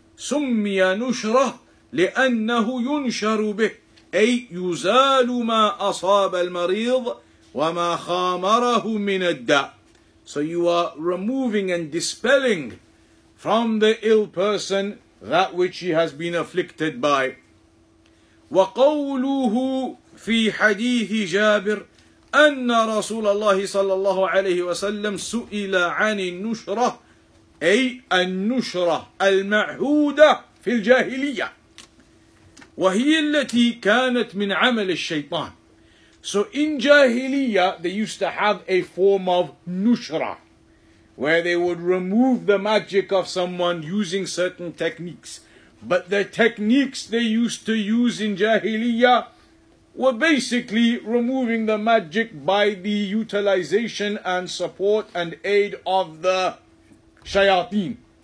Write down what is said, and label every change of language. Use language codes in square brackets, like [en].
[ar] سمي نشرة لأنه ينشر به أي يزال ما أصاب المريض وَمَا خَامَرَهُ مِنَ الدَّاءِ. [en] So you are removing and dispelling from the ill person that which he has been afflicted by. [ar] وَقَوْلُهُ فِي حَدِيثِ جَابِرِ أَنَّ رَسُولَ اللَّهِ صَلَّى اللَّهُ عَلَيْهِ وَسَلَّمْ سُئِلَ عَنِ النُّشْرَةِ أي النشرة المعهودة في الجاهلية وهي التي كانت من عمل الشيطان. [en] So in Jahiliyyah, they used to have a form of nushra, where they would remove the magic of someone using certain techniques. But the techniques they used to use in Jahiliyyah were basically removing the magic by the utilization and support and aid of the shayateen.